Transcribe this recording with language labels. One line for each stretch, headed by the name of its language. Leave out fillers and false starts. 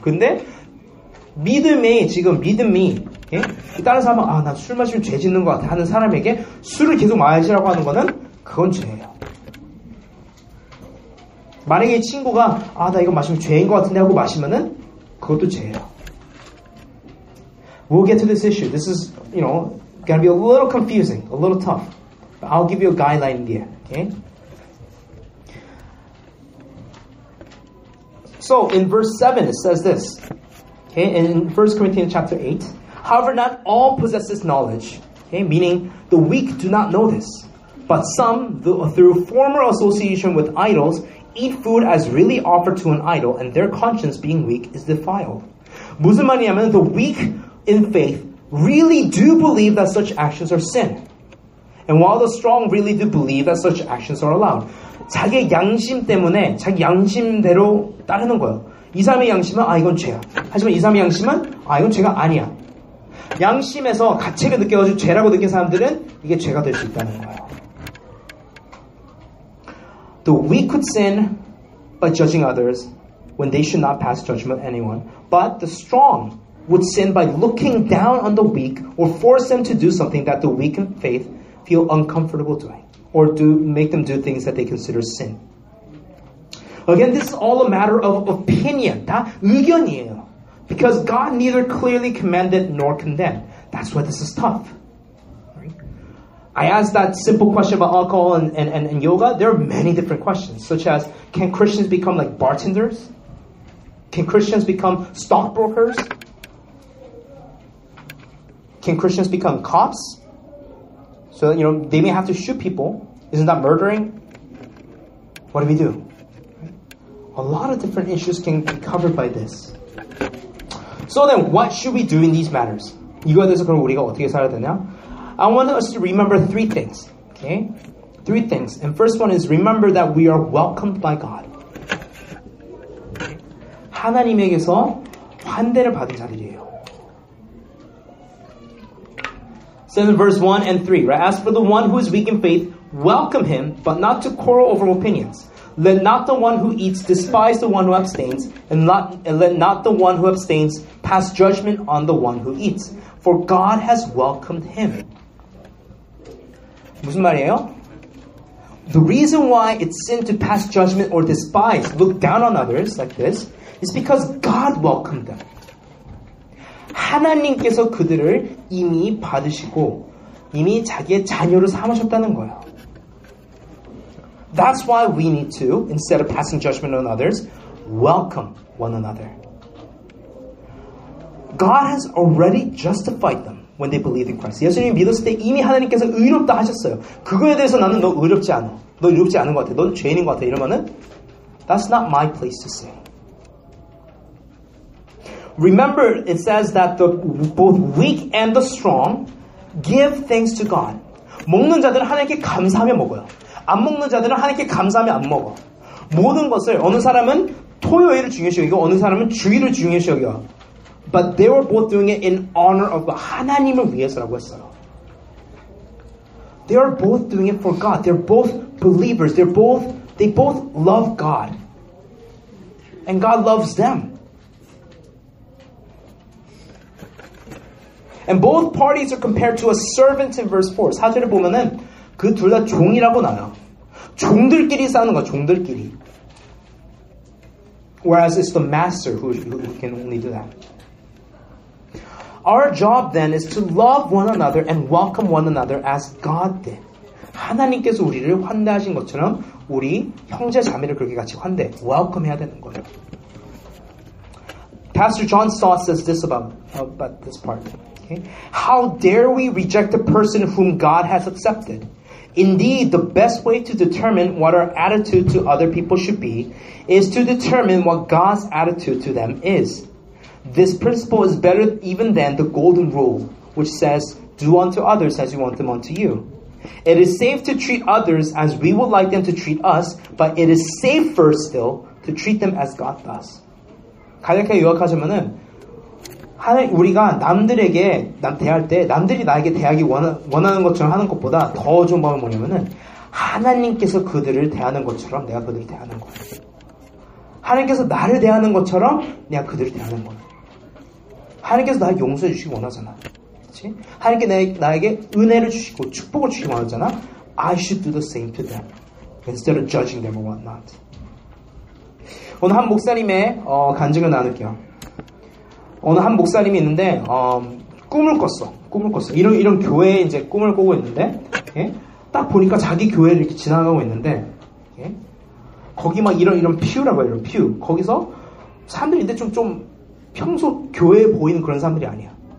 Korean: 근데 믿음이, 예? 다른 사람은, 아, 나 술 마시면 죄 짓는 것 같아. 하는 사람에게 술을 계속 마시라고 하는 거는 그건 죄예요. 만약에 이 친구가 아, 나 이거 마시면 죄인 것 같은데 하고 마시면은 그것도 죄예요.
English: We'll get to this issue. This is, you know, gonna be a little confusing, a little tough. But I'll give you a guideline here, okay? So, in verse 7, it says this. Okay, in 1 Corinthians chapter 8. However, not all possess this knowledge, okay? Meaning, the weak do not know this. But some, through former association with idols, eat food as really offered to an idol, and their conscience being weak is defiled.
Korean: 무슨 말이냐면
English: the weak in faith really do believe that such actions are sin. And while the strong really do believe that such actions are allowed.
Korean: 자기 양심 때문에 자기 양심대로 따르는 거예요. 이 사람의 양심은 아 이건 죄야. 하지만 이 사람의 양심은 아 이건 죄가 아니야. 양심에서 가책을 느껴가지고 죄라고 느낀 사람들은 이게 죄가 될 수 있다는 거예요.
English: The weak could sin by judging others when they should not pass judgment on anyone. But the strong would sin by looking down on the weak or force them to do something that the weak in faith feel uncomfortable doing. Or do make them do things that they consider sin. Again, this is all a matter of opinion.
Korean: 다 의견이에요.
English: Because God neither clearly commanded nor condemned. That's why this is tough. I asked that simple question about alcohol and yoga. There are many different questions, such as, can Christians become like bartenders? Can Christians become stockbrokers? Can Christians become cops? So, you know, they may have to shoot people. Isn't that murdering? What do we do? A lot of different issues can be covered by this. So then, what should we do in these matters?
Korean: 이거에 대해서 그럼 우리가 어떻게 살아야 되냐?
English: I want us to remember three things, okay? Three things. And first one is remember that we are welcomed by God.
Korean: 하나님에게서 환대를 받은 자들이에요.
English: So in verse 1 and 3, right? As for the one who is weak in faith, welcome him, but not to quarrel over opinions. Let not the one who eats despise the one who abstains, and let not the one who abstains pass judgment on the one who eats. For God has welcomed him.
Korean: 무슨 말이에요?
English: The reason why it's sin to pass judgment or despise, look down on others like this, is because God welcomed them.
Korean: 하나님께서 그들을 이미 받으시고 이미 자기의 자녀로 삼으셨다는 거예요.
English: That's why we need to, instead of passing judgment on others, welcome one another. God has already justified them. When they believe in Christ.
Korean: 예수님 믿었을 때 이미 하나님께서 의롭다 하셨어요. 그거에 대해서 나는 너 의롭지 않아. 너 의롭지 않은 것 같아. 넌 죄인인 것 같아. 이러면은
English: That's not my place to say. Remember, it says that the both weak and the strong give thanks to God.
Korean: 먹는 자들은 하나님께 감사하며 먹어요. 안 먹는 자들은 하나님께 감사하며 안 먹어. 모든 것을 어느 사람은 토요일을 중요시 여기고 어느 사람은 주일을 중요시 여기요.
English: But they were both doing it in honor of God.
Korean: 하나님을 위해서라고 했어요.
English: They are both doing it for God. They're both believers. They both love God. And God loves them. And both parties are compared to a servant in verse 4.
Korean: 사절을 보면은 그 둘 다 종이라고 나와요. 종들끼리 싸우는 거야, 종들끼리.
English: Whereas it's the master who can only do that. Our job then is to love one another and welcome one another as God did.
Korean: 하나님께서 우리를 환대하신 것처럼 우리 형제 자매를 그렇게 같이 환대, welcome 해야 되는 거예요.
English: Pastor John Stott says this about this part. Okay? How dare we reject a person whom God has accepted? Indeed, the best way to determine what our attitude to other people should be is to determine what God's attitude to them is. This principle is better even than the golden rule, which says, do unto others as you want them unto you. It is safe to treat others as we would like them to treat us, but it is safer still to treat them as God does.
Korean: 간략하게 요약하자면은 우리가 남들에게 대할 때 남들이 나에게 대하기 원하는 것처럼 하는 것보다 더 좋은 방법은 뭐냐면은 하나님께서 그들을 대하는 것처럼 내가 그들을 대하는 거예요. 하나님께서 나를 대하는 것처럼 내가 그들을 대하는 거예요. 하나님께서 나를 용서해 주시기 원하잖아. 그렇지? 하나님께서 나에게 은혜를 주시고 축복을 주시기 원하잖아.
English: I should do the same to them instead of judging them or whatnot.
Korean: 오늘 한 목사님의 간증을 나눌게요. 어느 한 목사님이 있는데 꿈을 꿨어. 이런 교회에 이제 꿈을 꾸고 있는데 예? 딱 보니까 자기 교회를 이렇게 지나가고 있는데 예? 거기 막 이런 퓨라고 해요. 퓨. 거기서 사람들인데 좀 평소 교회에 보이는 그런 사람들이 아니야.